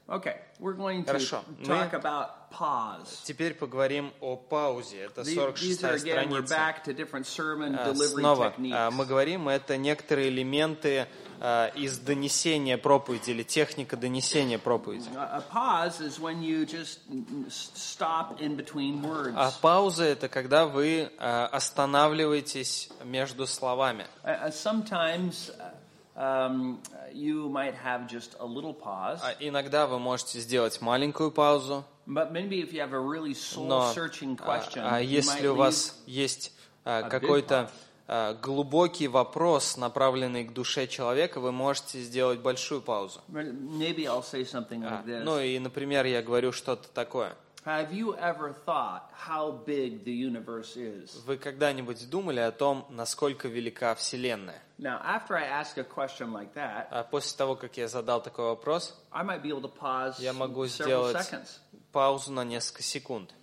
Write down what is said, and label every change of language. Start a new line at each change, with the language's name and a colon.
English: Okay. We're going to
Russian: Хорошо.
English: Talk about pause.
Russian: Теперь поговорим о паузе. Это 46-я страница.
English: We're back to different sermon delivery
Russian: Снова.
English: Techniques.
Russian: Мы говорим, это некоторые элементы из донесения проповеди или техника донесения проповеди.
English: A pause is when you just stop in between words.
Russian: А пауза это когда вы останавливаетесь между словами.
English: Sometimes you might have just a little pause.
Russian: Иногда вы можете сделать маленькую паузу.
English: But maybe if you have a really soul-searching question,
Russian: если у вас есть какой-то глубокий вопрос, направленный к душе человека, вы можете сделать большую паузу.
English: Maybe I'll say something like this.
Russian: Ну и, например, я говорю что-то такое.
English: Have you ever thought how big the universe is?
Russian: Вы когда-нибудь думали о том, насколько велика Вселенная?
English: Now, after I ask a question like that,
Russian: после того, как я задал такой вопрос,
English: I might be able to pause
Russian: я могу
English: several
Russian: сделать
English: seconds.
Russian: Паузу на несколько секунд.